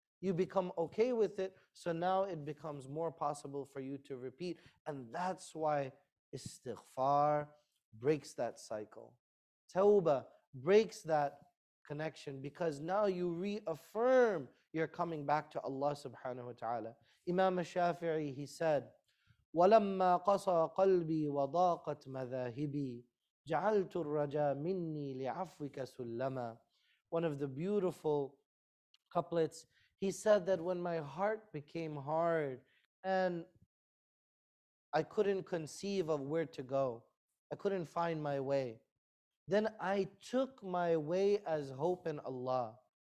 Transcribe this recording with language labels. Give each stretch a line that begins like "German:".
English: You become okay with it, so now it becomes more possible for you to repeat. And that's why istighfar breaks that cycle. Tawbah breaks that connection, because now you reaffirm your coming back to Allah subhanahu wa ta'ala.
Arabic: Imam Shafi'i,
English: he said,
Arabic: وَلَمَّا قَصَى قَلْبِي وَضَاقَتْ مَذَاهِبِي جَعَلْتُ الرَّجَى مِنِّي لِعَفْوِكَ سُلَّمًا.
English: One of the beautiful couplets, he said that when my heart became hard and I couldn't conceive of where to go, I couldn't find my way, then I took my way as hope in Allah.